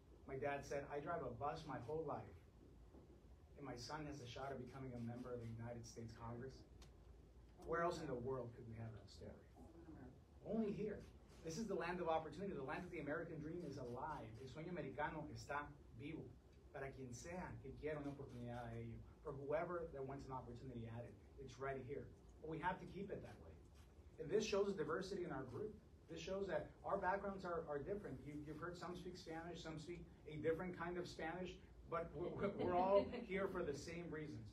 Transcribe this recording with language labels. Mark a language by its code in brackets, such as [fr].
[en] My dad said, I drive a bus my whole life, and my son has a shot of becoming a member of the United States Congress. Where else in the world could we have that story? Only here. This is the land of opportunity. The land of the American dream is alive. [es] El sueño americano está vivo. Para quien sea que quiera una oportunidad a ello. [en] For whoever that wants an opportunity at it, it's right here. But we have to keep it that way. And this shows diversity in our group. This shows that our backgrounds are different. You've heard some speak Spanish, some speak a different kind of Spanish, but we're all here for the same reasons.